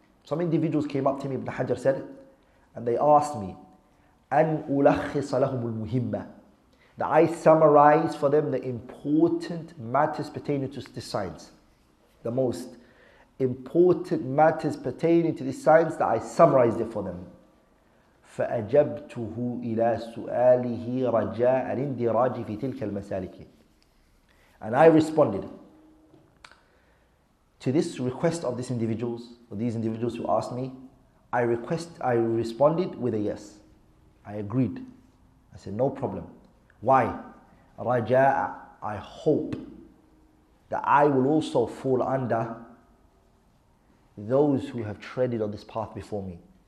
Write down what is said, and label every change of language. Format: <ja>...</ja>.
<en>Some individuals came up to me, Ibn Hajar said, and they asked me,</en> <ar>أن ألخص لهم المهمة,</ar> <en>that I summarize for them the important matters pertaining to this science. The most important matters pertaining to this science, that I summarized it for them.</en> <ar>فأجبته إلى سؤاله رجاء الاندراج في تلك المسالك.</ar> <en>And I responded to this request of these individuals, or these individuals who asked me, I responded with a yes. I agreed. I said, no problem. Why? Raja'a, I hope that I will also fall under those who have treaded on this path before me.</en>